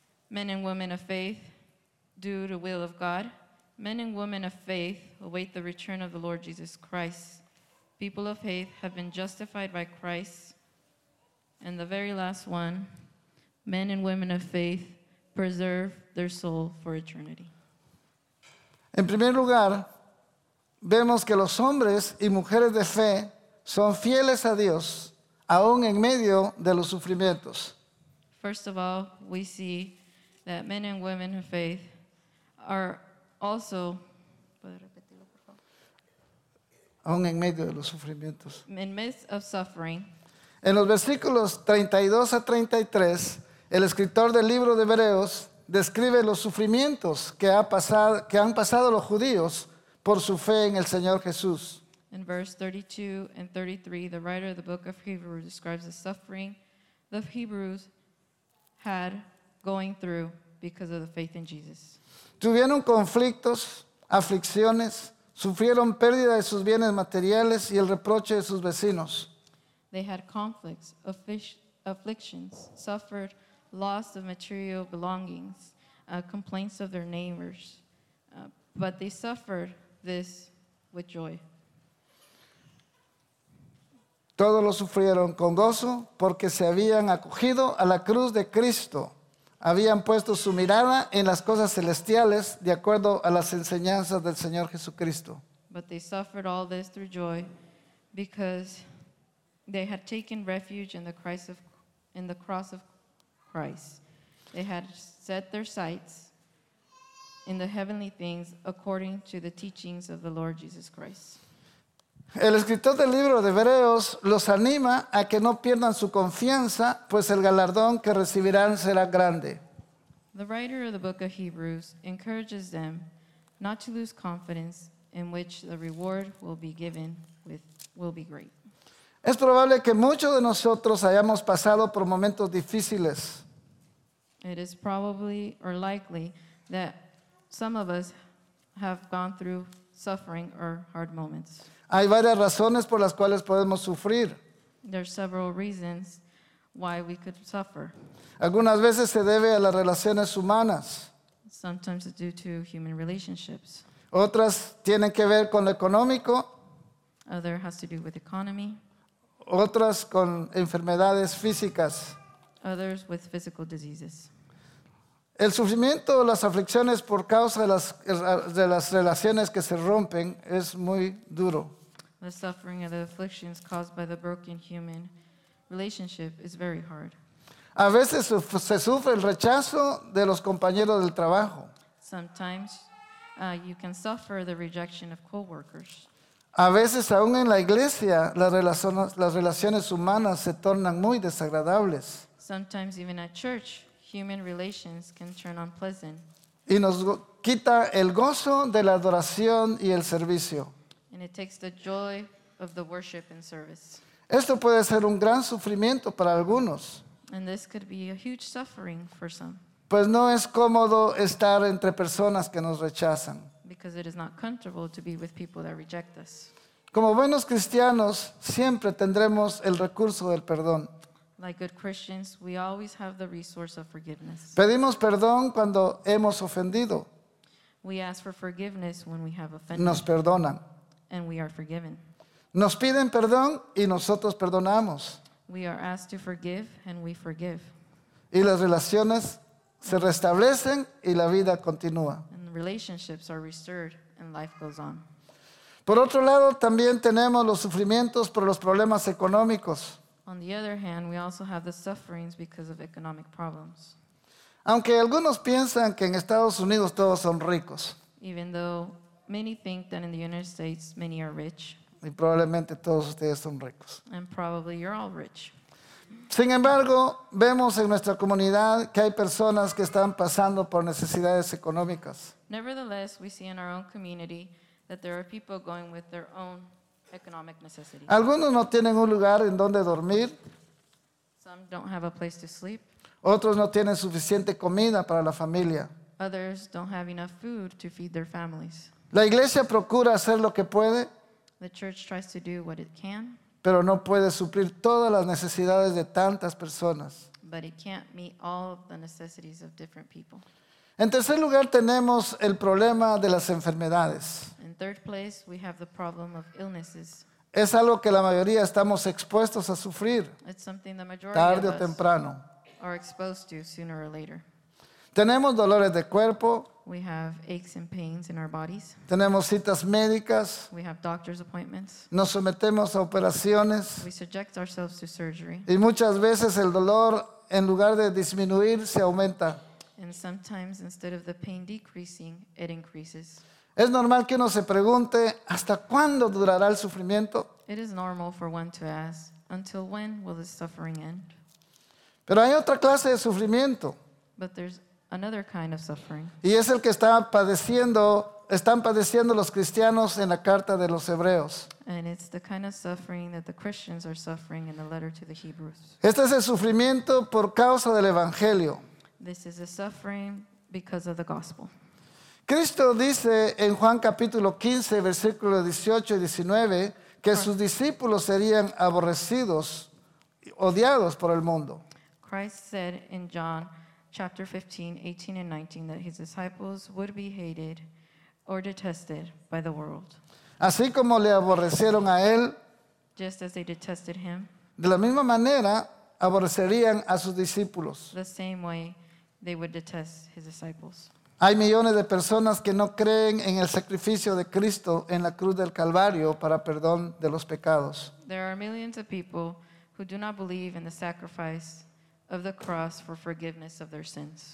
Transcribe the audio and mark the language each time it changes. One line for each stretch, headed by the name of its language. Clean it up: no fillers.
English: Men and Women of Faith, Do the Will of God. Men and Women of Faith, Await the Return of the Lord Jesus Christ. People of Faith Have Been Justified by Christ. And the very last one, Men and Women of Faith, Preserve Their Soul for Eternity.
Spanish: En primer lugar, vemos que los hombres y mujeres de fe son fieles a Dios, aún en medio de los sufrimientos.
English: First of all, we see that men and women of faith are also,
Spanish: ¿puedo repetirlo, por favor? Aún en medio de los sufrimientos.
English: In midst of suffering.
Spanish: En los versículos 32 a 33, el escritor del libro de Hebreos describe los sufrimientos que han pasado los judíos por su fe en el Señor Jesús.
English: In verse 32 and 33, the writer of the book of Hebrews describes the suffering the Hebrews had going through because of the faith in Jesus.
Spanish: Tuvieron conflictos, aflicciones, sufrieron pérdida de sus bienes materiales y el reproche de sus vecinos.
English: They had conflicts, afflictions, suffered loss of material belongings, complaints of their neighbors, but they suffered this with joy.
Spanish: Todos lo sufrieron con gozo porque se habían acogido a la cruz de Cristo. Habían puesto su mirada en las cosas celestiales de acuerdo a las enseñanzas del Señor Jesucristo.
English: But they suffered all this through joy because they had taken refuge in the cross of Christ. They had set their sights in the heavenly things according to the teachings of the Lord Jesus Christ.
Spanish: El escritor del libro de Hebreos los anima a que no pierdan su confianza, pues el galardón que recibirán será grande.
English: The writer of the book of Hebrews encourages them not to lose confidence, in which the reward will be given with will be great.
Spanish: Es probable que muchos de nosotros hayamos pasado por momentos difíciles.
English: It is probably or likely that some of us have gone through suffering or hard moments.
Spanish: Hay varias razones por las cuales podemos sufrir.
English: There are several reasons why we could suffer.
Spanish: Algunas veces se debe a las relaciones humanas.
English: Sometimes it's due to human relationships.
Spanish: Otras tienen que ver con lo económico.
English: Other has to do with economy.
Spanish: Otras con enfermedades físicas.
English: Others with physical diseases.
Spanish: El sufrimiento o las aflicciones por causa de las relaciones que se rompen es muy duro.
English: The suffering and the afflictions caused by the broken human relationship is very hard.
Spanish: A veces se sufre el rechazo de los compañeros del trabajo.
English: Sometimes you can suffer the rejection of coworkers.
Spanish: A veces aún en la iglesia las relaciones humanas se tornan muy desagradables.
English: Sometimes even at church, human relations can turn unpleasant.
Spanish: Y nos quita el gozo de la adoración y el servicio.
English: And it takes the joy of the worship and service.
Spanish: Esto puede ser un gran sufrimiento para algunos.
English: And this could be a huge suffering for some.
Spanish: Pues no es cómodo estar entre personas que nos rechazan.
English: Because it is not comfortable to be with people that reject us.
Spanish: Como buenos cristianos, siempre tendremos el recurso del perdón.
English: Like good Christians, we always have the resource of forgiveness.
Spanish: Pedimos perdón cuando hemos ofendido.
English: We ask for forgiveness when we have offended.
Spanish: Nos perdonan.
English: And we are forgiven.
Spanish: Nos piden perdón y nosotros perdonamos.
English: We are asked to forgive and we forgive.
Spanish: Y las relaciones se restablecen y la vida continúa.
English: And relationships are restored and life goes on.
Spanish: Por otro lado, también tenemos los sufrimientos por los problemas económicos.
English: On the other hand, we also have the sufferings because of economic problems.
Spanish: Aunque algunos piensan que en Estados Unidos todos son ricos.
English: Even though many think that in the United States many are rich.
Spanish: Y probablemente todos ustedes son ricos.
English: And probably you're all rich.
Spanish: Sin embargo, vemos en nuestra comunidad que hay personas que están pasando por necesidades económicas.
English: Nevertheless, we see in our own community that there are people going with their own economic necessities.
Spanish: Algunos no tienen un lugar en donde dormir.
English: Some don't have a place to sleep.
Spanish: Otros no tienen suficiente comida para la familia.
English: Others don't have enough food to feed their families.
Spanish: La iglesia procura hacer lo que puede.
English: The church tries to do what it can.
Spanish: Pero no puede suplir todas las necesidades de tantas personas.
English: But it can't meet all of the necessities of different people.
Spanish: En tercer lugar, tenemos el problema de las enfermedades.
English: In third place, we have the problem of illnesses.
Spanish: Es algo que la mayoría estamos expuestos a sufrir.
English: It's something the majority
Spanish: tarde
English: of
Spanish: o temprano.
English: Are exposed to sooner or later.
Spanish: Tenemos dolores de cuerpo.
English: We have aches and pains in our bodies.
Spanish: Tenemos citas médicas.
English: We have doctor's appointments.
Spanish: Nos sometemos a operaciones.
English: We subject ourselves to surgery.
Spanish: Y muchas veces el dolor, en lugar de disminuir, se aumenta.
English: And sometimes, instead of the pain decreasing, it increases.
Spanish: Es normal que uno se pregunte, ¿hasta cuándo durará el sufrimiento?
English: It is normal for one to ask, until when will this suffering end?
Spanish: Pero hay otra clase de sufrimiento.
English: But there's another kind of suffering.
Spanish: Y es el que están padeciendo los cristianos en la carta de los Hebreos.
English: And it's the kind of suffering that the Christians are suffering in the letter to the Hebrews.
Spanish: Este es el sufrimiento por causa del Evangelio.
English: This is a suffering because of the gospel.
Spanish: Cristo dice en Juan capítulo 15, versículo 18 y 19, que sus discípulos serían aborrecidos, odiados por el mundo.
English: Christ said in John chapter 15, 18 and 19, that his disciples would be hated or detested by the world.
Spanish: Así como le aborrecieron a él,
English: just as they detested him,
Spanish: de la misma manera aborrecerían a sus discípulos.
English: The same way they would detest his disciples.
Spanish: Hay millones de personas que no creen en el sacrificio de Cristo en la cruz del Calvario para perdón de los pecados.
English: There are millions of people who do not believe in the sacrifice of the cross for forgiveness of their sins.